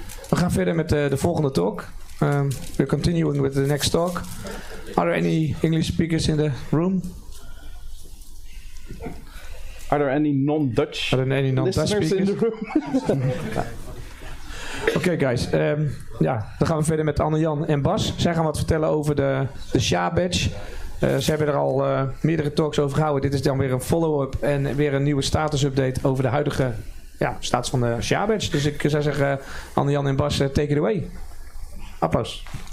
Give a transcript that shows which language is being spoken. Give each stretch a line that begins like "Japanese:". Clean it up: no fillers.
Dutch: We gaan verder met de volgende talk.
English: We're continuing with the next talk. Are there any English speakers in the room? Are there any non-Dutch listeners in the room?
Dutch: Oké, guys. Dan gaan we verder met Anne-Jan en Bas. Zij gaan wat vertellen over de SHA badge. Ze hebben er al meerdere talks over gehouden. Dit is dan weer een follow-up en weer een nieuwe status-update over de huidige status van de SHA badge. Dus ik zou zeggen, Anne-Jan en Bas,
English: take it away.
Dutch: Applaus.